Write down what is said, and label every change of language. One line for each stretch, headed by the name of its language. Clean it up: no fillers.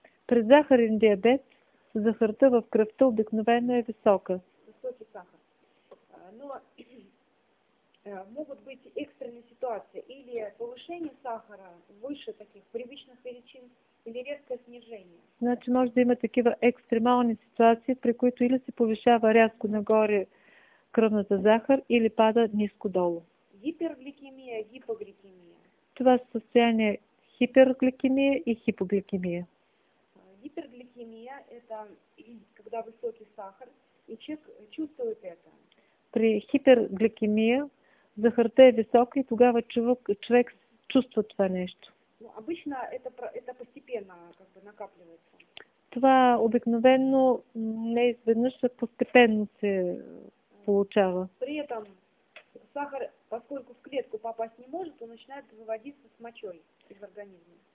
Bulgarian: При захарен диабет захарта в кръвта обикновенно е висока.
Russian: Высокий сахар. Но могут быть экстренные ситуации или повышение сахара выше таких привычных величин или резкое снижение. Значит, может быть, такие экстремальные ситуации,
Bulgarian: при които или се повышава резко нагоре кръвната захар или пада ниско долу.
Russian: Гипергликемия, гипогликемия.
Bulgarian: Това е състояние хипергликемия и хипогликемия.
Russian: Гипергликемия – это когда высокий сахар, и человек чувствует это.
Bulgarian: При хипергликемия захарта е висока и тогава човек чувства това нещо.
Russian: Но обычно это постепенно как бы накапливается.
Bulgarian: Това обикновено не изведнъж, а постепенно се получава.
Russian: При этом сахар, поскольку в клетку попасть не может, он начинает выводиться с мочой из организма.